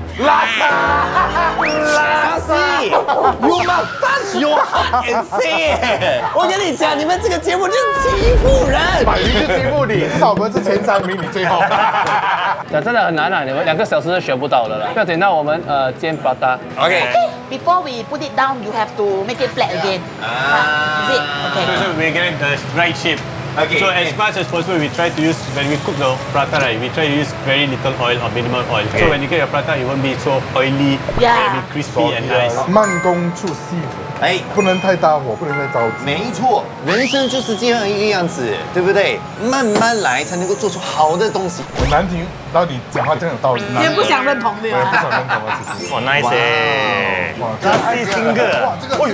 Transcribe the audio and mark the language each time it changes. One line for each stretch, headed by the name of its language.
English: Lassi, you must touch your heart and say.
Chinese: 我跟你讲，你们这个节目就是欺负人。百鱼就欺负你，至少我们是前三名，你最后。讲真的很难啊，你们两个小时都学不到的了。不要等到我们煎巴达。
English: OK。 Before we put it down, you have to make it flat again. Is it? Okay. So we're getting the right shape. Okay. So as much as possible, we try to use, when we cook the prata, right, we try to use very little oil or minimal oil. Okay. So when you get your prata, it won't be so oily, yeah. It'll be crispy and nice.
Chinese: 慢工出细活。哎，不能太大火，不能太着急。没错，人生就是这样一个样子，对不对？慢慢来才能够做出好的东西。很难听，到底讲话真有道理。你也不想认同的呀？不想认同啊，其实。哇 ，nice！ 哇，这是新歌。哇，这个。喂